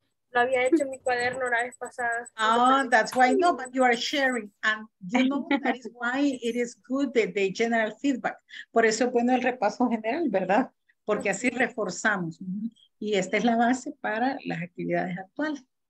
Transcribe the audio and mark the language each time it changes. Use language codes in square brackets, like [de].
[es] Lo había hecho en mi cuaderno la vez pasada. [en] Oh, that's why, no, but you are sharing. And you know that is why it is good the general feedback. [es] Por eso es bueno el repaso general, ¿verdad? Porque así reforzamos. Y esta es la base para las actividades actuales.